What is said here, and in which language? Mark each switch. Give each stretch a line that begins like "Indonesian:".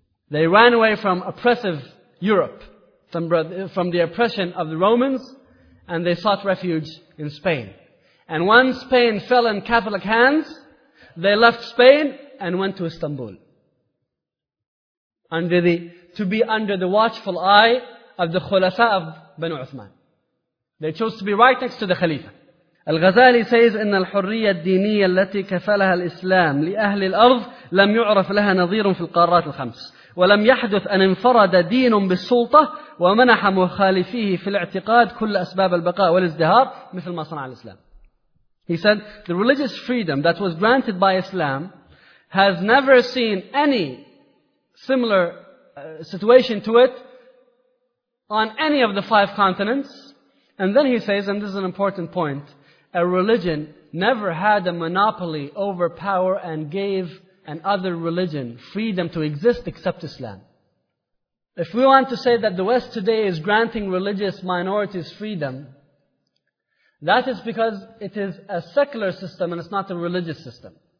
English: They ran away from oppressive Europe, from the oppression of the Romans, and they sought refuge in Spain. And once Spain fell in Catholic hands, they left Spain and went to Istanbul. To be under the watchful eye of the Khulafa of Banu Uthman. They chose to be right next to the Khalifa. Al-Ghazali says,
Arabic: إِنَّ الْحُرِّيَّةَ الدِّينِيَّةَ الَّتِي كَفَلَهَا الْإِسْلَامِ لِأَهْلِ الْأَرْضِ لَمْ يُعْرَفْ لَهَا نَظِيرٌ فِي الْقَارَاتِ الْخَمْسِ وَلَمْ يَحْدُثْ أَنْ انْفَرَدَ دِينٌ بِالسُّلْطَةِ وَمَنَحَ مُخَالِفِيهِ فِي الْاعْتِقَادِ كُلَّ أَسْبَابَ الْبَقَاءِ وَالِازْدِهَارِ مِثْلَ مَا صَنَعَ الْإِسْلَامِ.
English: He said, the religious freedom that was granted by Islam has never seen any similar situation to it on any of the five continents. And then he says, and this is an important point, a religion never had a monopoly over power and gave an other religion freedom to exist except Islam. If we want to say that the West today is granting religious minorities freedom, that is because it is a secular system and it's not a religious system.